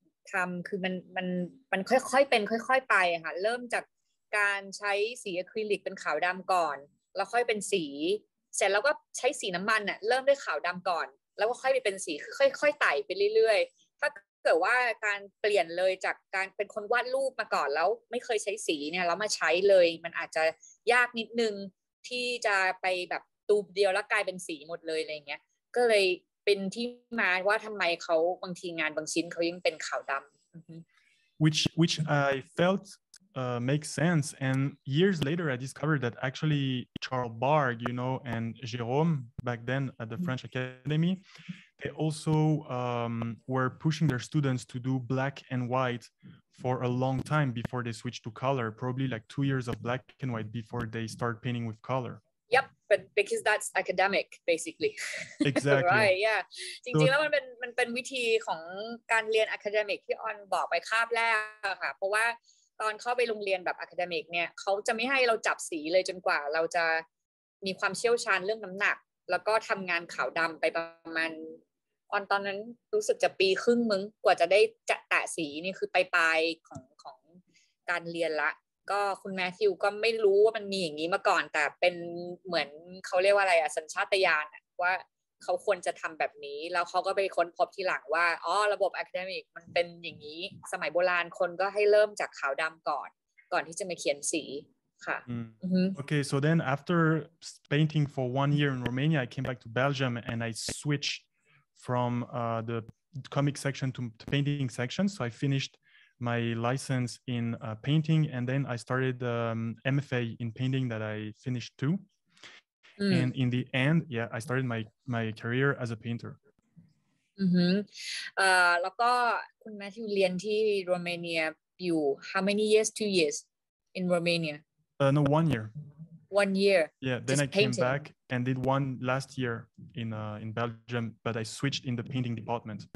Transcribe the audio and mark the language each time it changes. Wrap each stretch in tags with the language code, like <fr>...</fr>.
<th>ทำคือมันค่อยๆเป็นค่อยๆไปอะค่ะเริ่มจากการใช้สีอะคริลิกเป็นขาวดำก่อนแล้วค่อยเป็นสีเสร็จแล้วก็ใช้สีน้ำมันอะเริ่มด้วยขาวดำก่อนแล้วก็ค่อยไปเป็นสีค่อยๆไต่ไปเรื่อยๆเกิดว่าการเปลี่ยนเลยจากการเป็นคนวาดรูปมาก่อนแล้วไม่เคยใช้สีเนี่ยแล้วมาใช้เลยมันอาจจะยากนิดนึงที่จะไปแบบตูบเดียวแล้วกลายเป็นสีหมดเลยอะไรเงี้ยก็เลย ป็นที่มาว่าทำไมเขาบางทีงานบางชิ้นเขายังเป็นขาวดำ</th> <en>which I feltmake sense, and years later I discovered that actually Charles Barg, you know, and Jérôme back then at the French Academy, they also were pushing their students to do black and white for a long time before they switched to color, probably like 2 years of black and white before they start painting with color. Yep, but because that's academic basically. Exactly. Right, yeah.</en> <th>จริงๆแล้วมันเป็นวิธีของการเรียน academic ที่ออนบอกไปคาบแรกค่ะเพราะว่าตอนเข้าไปโรงเรียนแบบอะคาเดมิกเนี่ยเขาจะไม่ให้เราจับสีเลยจนกว่าเราจะมีความเชี่ยวชาญเรื่องน้ำหนักแล้วก็ทำงานขาวดำไปประมาณ ตอนนั้นรู้สึกจะปีครึ่งมึงกว่าจะได้จะแตะสีนี่คือปลายของการเรียนละก็คุณแมทธิวก็ไม่รู้ว่ามันมีอย่างนี้มาก่อนแต่เป็นเหมือนเขาเรียกว่าอะไรอ่ะสัญชาตญาณว่าเขาควรจะทำแบบนี้แล้วเขาก็ไปค้นพบทีหลังว่าอ๋อระบบอะคาเดมิกมันเป็นอย่างนี้สมัยโบราณคนก็ให้เริ่มจากขาวดำก่อนที่จะมาเขียนสีค่ะ</th> <en>Okay, so then after painting for 1 year in Romania, I came back to Belgium and I switched from the comic section to the painting section. So I finished my license in painting and then I started the MFA in painting that I finished too. And in the end, yeah, I started my career as a painter.</en> <th>แล้วก็คุณแมทธิวเรียนที่ Romania อยู่</th> <en>how many years? 2 years in Romania? No, 1 year. 1 year. Yeah, then I came back and did one last year in Belgium, but I switched in the painting department.</en>